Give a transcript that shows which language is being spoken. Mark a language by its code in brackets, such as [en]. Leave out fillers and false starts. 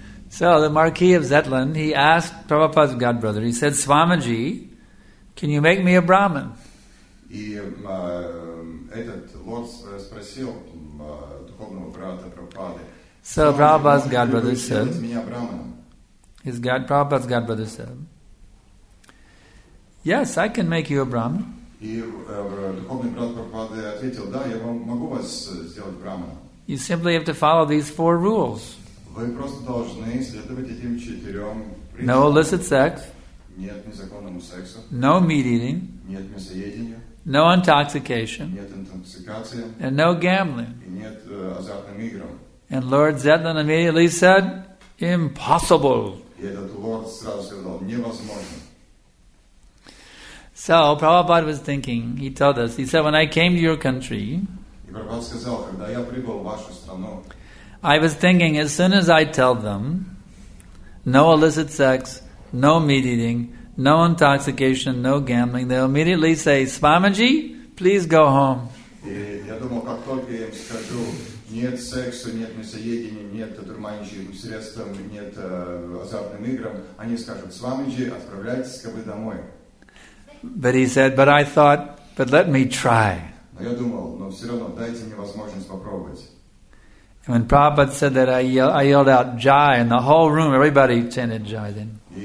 [en] So, the Marquis of Zetland, he asked Prabhupada's godbrother, he said, Swamiji, can you make me a Brahmin? [ru] И этот лорд спросил духовного брата Прабхупады. [en] So Prabhupada's godbrother said, Prabhupada's godbrother said, yes, I can make you a Brahmin. [ru] И духовный брат Прабхупады ответил, да, я могу вас сделать Брахманом. [en] You simply have to follow these four rules. [ru] Вы просто должны следовать этим четырем принципам. [en] No illicit sex. [ru] Нет незаконному сексу. [en] No meat eating. [ru] Нет мясоедения. [en] No intoxication. [ru] Нет интоксикации. [en] And no gambling. [ru] И нет азартным играм. [en] And Lord Zetland immediately said, impossible. [ru] И этот лорд сразу сказал, невозможно. [en] So Prabhupada was thinking, he told us, he said, when I came to your country, [ru] и Прабхупада сказал, когда я прибыл в вашу страну, [en] I was thinking, as soon as I tell them, no illicit sex, no meat eating, no intoxication, no gambling, they'll immediately say, Swamiji, please go home. [ru] Я думал, как только я им скажу, нет секса, нет мясоедения, нет одурманивающих средств, нет азартным играм, они скажут, Swamiji, отправляйтесь ко мне домой. [en] But he said, but I thought, but let me try. [ru] Но я думал, но все равно, дайте мне возможность попробовать. [en] And when Prabhupada said that, I yelled out, Jai, and the whole room, everybody chanted Jai then.